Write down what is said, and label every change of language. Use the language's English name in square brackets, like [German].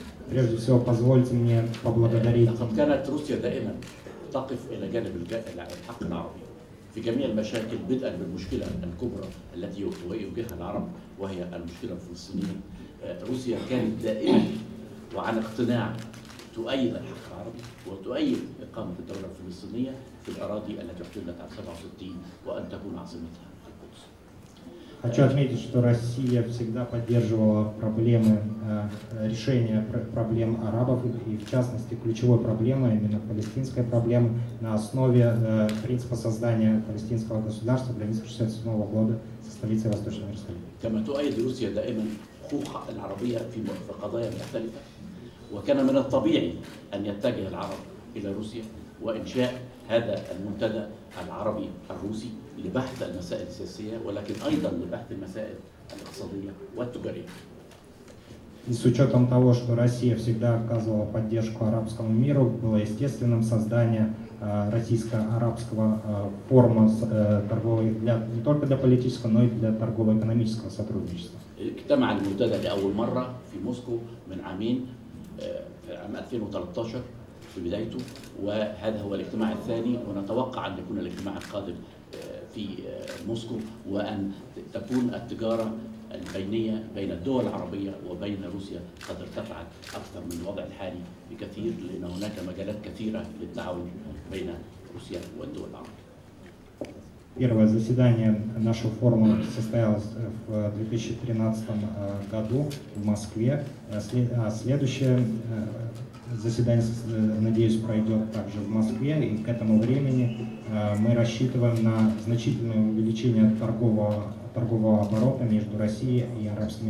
[Russian] Прежде всего, позвольте мне поблагодарить. [Arabic] لقد كانت روسيا دائما تقف إلى جانب الحق العربي في جميع المشاكل بدءا بالمشكلة الكبرى التي يواجهها العرب وهي المشكلة الفلسطينية. روسيا كانت دائما وعن اقتناع تؤيد الحق العربي وتؤيد إقامة الدولة الفلسطينية في الأراضي التي احتلت عام 67 وأن تكون عاصمتها القدس. [Russian] Хочу отметить, что Россия всегда поддерживала проблемы, решение проблем арабов, и в частности ключевой проблемы, именно палестинской проблемы, на основе принципа создания палестинского государства в границах 1967 года со столицей Восточного Иерусалима. [Arabic] وكان من الطبيعي أن يتجه العرب إلى روسيا وإنشاء هذا المنتدى العربي الروسي لبحث المسائل السياسية ولكن أيضاً لبحث المسائل الاقتصادية والتجارية. [Russian] И с учетом того, что Россия всегда оказывала поддержку арабскому миру, было естественным создание российско-арабского форума торговой для не только для политического, но и для торгово-экономического сотрудничества. [Arabic] اجتمع المنتدى لأول مرة في موسكو من عامين. في عام 2013 في بدايته وهذا هو الاجتماع الثاني ونتوقع أن يكون الاجتماع القادم في موسكو وأن تكون التجارة البينية بين الدول العربية وبين روسيا قد ارتفعت أكثر من الوضع الحالي بكثير لأن هناك مجالات كثيرة للتعاون بين روسيا والدول العربية. [Russian] Первое заседание нашего форума состоялось в 2013 году в Москве. Следующее заседание, надеюсь, пройдет также в Москве. И к этому времени мы рассчитываем на значительное увеличение торгового оборота между Россией и арабскими